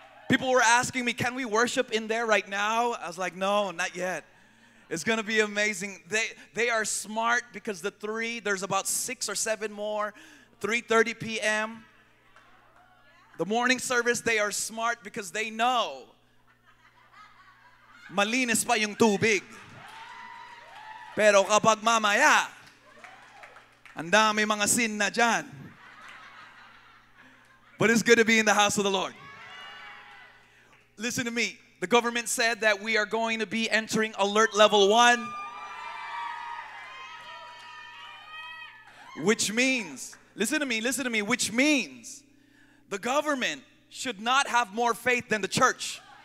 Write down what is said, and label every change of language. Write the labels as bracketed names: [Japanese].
[English] People were asking me, can we worship in there right now? I was like, no, not yet. It's going to be amazing. They are smart because the 3, there's about 6 or 7 more, 3:30 p.m. The morning service, they are smart because they know. [Filipino] Malinis pa yung tubig. Pero kapag mamaya, ang dami mga sin na dyan. [English] But it's good to be in the house of the Lord. Listen to me. The government said that we are going to be entering alert level 1. Which means, listen to me, which means the government should not have more faith than the church.